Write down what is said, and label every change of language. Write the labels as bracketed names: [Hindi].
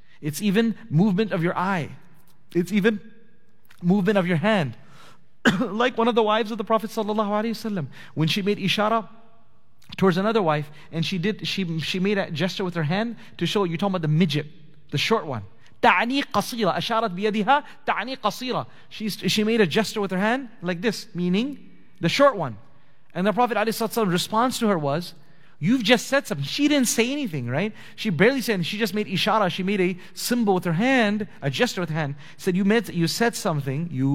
[English] It's even movement of your eye. It's even movement of your hand. Like one of the wives of the Prophet sallallahu alaihi wasallam, when she made ishara towards another wife, and she made a gesture with her hand to show, you're talking about the midget, the short one. [Arabic] تعني قصيرة أشارت بيدها تعني قصيرة. [English] She made a gesture with her hand like this, meaning the short one. And the Prophet sallallahu alaihi wasallam's response to her was, "You've just said something." She didn't say anything, right? She barely said anything. She just made ishara. She made a symbol with her hand, a gesture with her hand. Said, "You said something.